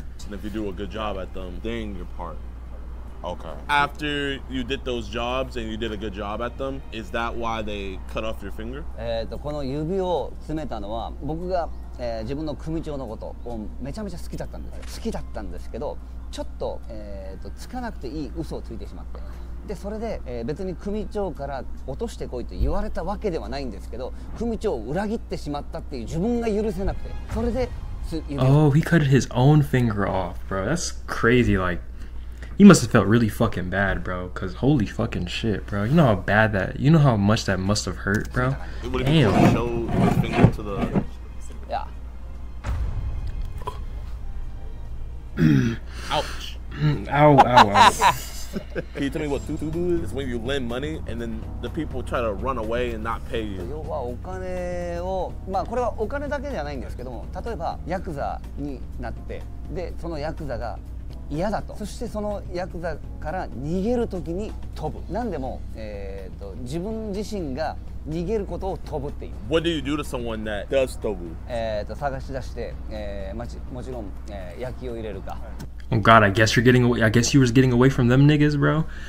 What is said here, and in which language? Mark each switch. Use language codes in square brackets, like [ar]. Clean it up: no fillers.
[en] And if you do a good job at them, then you're part. Okay. After you did those jobs and you did a good job at them, is that why they cut off your finger? [ja] この指を詰めたのは僕が、自分の組長のことをめちゃめちゃ好きだったんです。好きだったんですけど、ちょっと、つかなくていい嘘をついてしまって。で、それで、別に組長から落としてこいと言われたわけではないんですけど、組長を裏切ってしまったっていう自分が許せなくて。それで、 [en] Oh, he cut his own finger off, bro. That's crazy, like... He must have felt really fucking bad, bro. Cause holy fucking shit, bro. You know how bad that. You know how much that must have hurt, bro. Damn. Show his finger to the. Yeah. Ouch. Ow! Ow! Ow! Can you tell me what tutubu is? It's when you lend money and then the people try to run away and not pay you. [ja] 要はお金を、まあこれはお金だけじゃないんですけども、例えばヤクザになって、でそのヤクザが。嫌だと。そしてそのヤクザから逃げるときに飛ぶ。何でも、自分自身が逃げることを飛ぶっていう。 [en] What do you do to someone that does 飛ぶ？ [ja] 探し出して、もちろん、焼きを入れるか。 [en] Oh God, I guess you're getting away. I guess you was getting away from them niggas, bro.